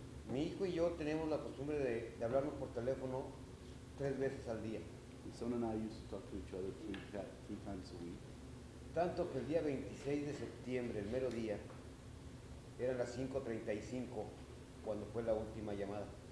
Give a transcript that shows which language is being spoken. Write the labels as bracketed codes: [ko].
[es] Mi hijo y yo tenemos la costumbre de hablarnos por teléfono tres veces al día. [en] My son and I used to talk to each other three times a week. [es] Tanto que el día 26 de septiembre, el mero día, eran las 5:35 cuando fue la última llamada.